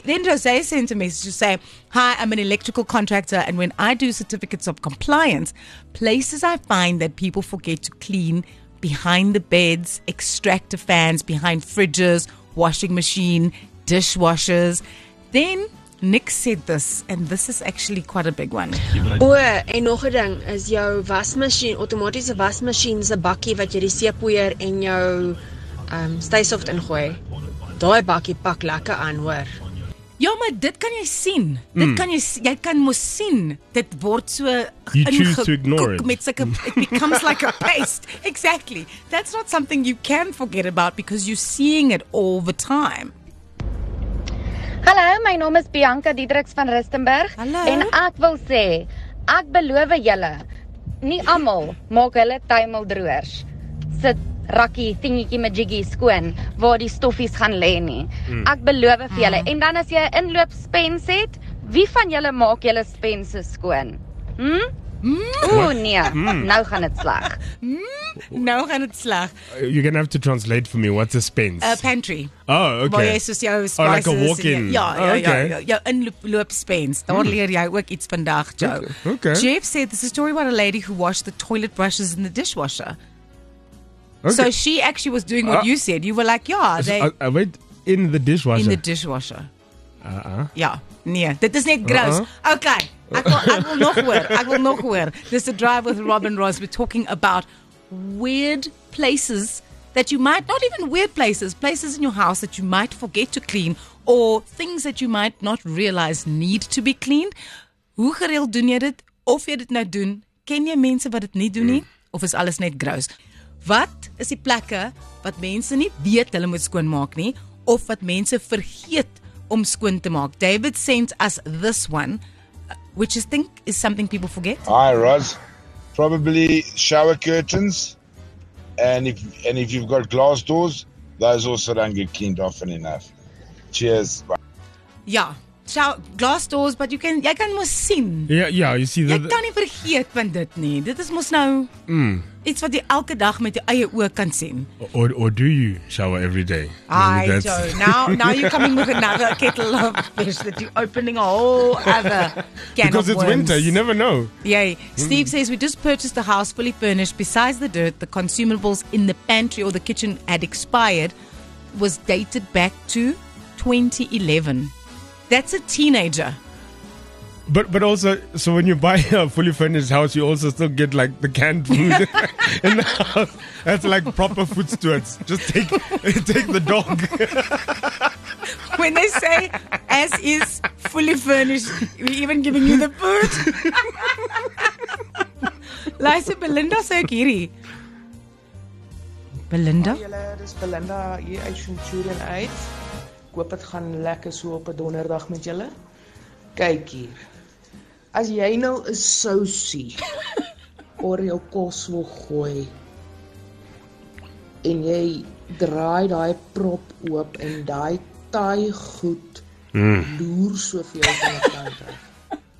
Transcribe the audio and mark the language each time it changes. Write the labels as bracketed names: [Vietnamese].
[English] Then Jose sent a message to say, hi, I'm an electrical contractor, and when I do certificates of compliance, places I find that people forget to clean behind the beds, extractor fans, behind fridges, washing machine, dishwashers. Then Nick said this, and this is actually quite a big one. [Afrikaans] O, en nog 'n ding is jou wasmasjien, outomatiese wasmasjien se bakkie wat jy die seepoeier en jou stysoft ingooi. Daai bakkie pak lekker aan, hoor. Ja, maar dit kan jy sien. Dit kan jy kan mos sien. Dit word so ingekook met sulke, [English] it becomes like a paste. Exactly. That's not something you can forget about because you're seeing it all the time. [Afrikaans] Hallo, my naam is Bianca Diedriks van Rustenburg. Hallo. En ek wil sê, ek beloof julle, nie almal maak hulle tuimeldroërs sit rakkie dingetjie met jiggie skoon waar die stoffies gaan lê nie. Ek beloof vir julle. En dan as jy 'n inloopspens het, wie van julle maak julle spense skoon? Nou gaan dit sleg. Nou gaan dit sleg. [English] You're going to have to translate for me. What's a spens? A pantry. Oh, okay. [Afrikaans] Waar jy soos jou spices. [English] Oh, like a walk-in. [Afrikaans] Jou inloop spens. Daar leer jy ook iets vandag, Jo. [English] Okay. Jeff said, this is a story about a lady who washed the toilet brushes in the dishwasher. Okay. So she actually was doing what you said. You were like, yeah. Wait, in the dishwasher? In the dishwasher. Yeah. [Afrikaans] Nee, dit is net gross. [English] Okay. I will [Afrikaans] nog hoor. [English] This is a Drive with Robin Ross. We're talking about weird places that you might, not even weird places, places in your house that you might forget to clean, or things that you might not realize need to be cleaned. [Afrikaans] Hoe gereeld doen jy dit? Of jy dit nou doen? Ken jy mense wat dit nie doen nie? Of is alles net gross? Wat is die plekke wat mense nie weet hulle moet skoonmaak nie? Of wat mense vergeet om skoon te maak? [English] David sent us this one, which I think is something people forget. Hi, Roz. Probably shower curtains. And if you've got glass doors, those also don't get cleaned often enough. Cheers. Yeah. Glass doors, but [Afrikaans] jy kan mos sien. [English] Yeah, you see. [Afrikaans] Jy kan nie vergeet van dit nie. Dit is mos nou iets wat jy elke dag met jou eie oë kan sien. [English] Or do you shower every day? Now you're coming with another kettle of fish that you're opening a whole other can. Because it's winter, you never know. Yay. Steve says, we just purchased a house fully furnished. Besides the dirt, the consumables in the pantry or the kitchen had expired, was dated back to 2011. That's a teenager. But also, so when you buy a fully furnished house, you also still get like the canned food in the house. That's like proper food stewards. Just take the dog. When they say, as is fully furnished, we're even giving you the food. Lisa Belinda Sekiri. Belinda? Belinda, you're an [Afrikaans] Ek hoop het gaan lekker so op 'n donderdag met julle. Kyk hier. As jy nou 'n sousie oor jou kos wil gooi en jy draai daai prop oop en daai taai goed loer soveel van die kant af.